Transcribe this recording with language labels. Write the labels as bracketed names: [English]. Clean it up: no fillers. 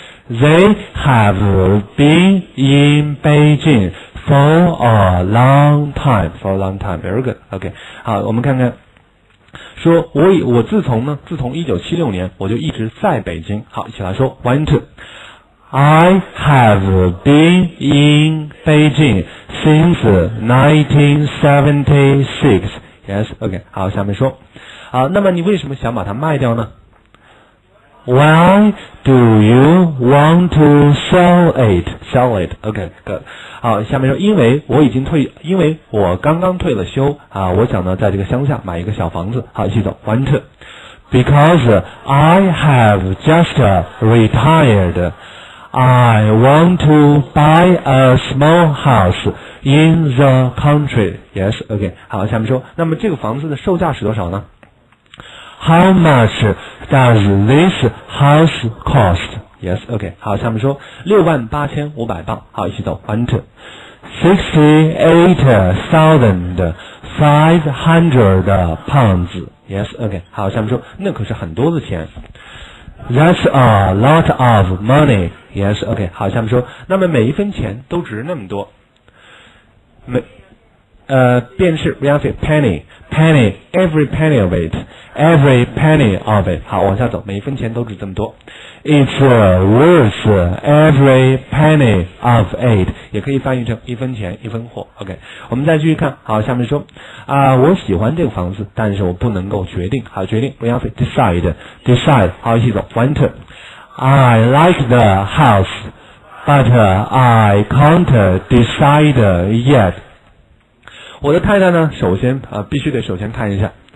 [English] They have been in Beijing for a long time. For a long time, very good. OK, [Chinese] 好，我们看看。说我自从呢，自从1976年我就一直在北京。好，一起来说 went. [English] I have been in Beijing since 1976. Yes, OK. [Chinese] 好，下面说，好，那么你为什么想把它卖掉呢？ [English] Why do you want to sell it? Sell it. OK, good. [Chinese] 好，下面说，因为我刚刚退了休啊，我想呢，在这个乡下买一个小房子。好，一起走 ， [English] one two. Because I have just retired, I want to buy a small house in the country. Yes, OK. [Chinese] 好，下面说，那么这个房子的售价是多少呢？ [English] How much does this house cost? Yes, OK. [Chinese] 好，下面说，68,500镑。好，一起走 ， [English] one two. 68,500 pounds. Yes, OK. [Chinese] 好，下面说，那可是很多的钱。 [English] That's a lot of money. Yes, okay, [Chinese] 好，下面说，那么每一分钱都值那么多。 [English] 便是 penny, penny, every penny of it, every penny of it. [Chinese] 好，往下走，每一分钱都值这么多。 [English] It's worth every penny of it. [Chinese] 也可以翻译成一分钱一分货。OK, 我们再继续看。好，下面说，我喜欢这个房子，但是我不能够决定。好，决定 decide, [English] decide. [Chinese] 好，一起走 ， [English] one two. I like the house, but I can't decide yet. [Chinese] 我的太太呢，首先必须得首先看一下。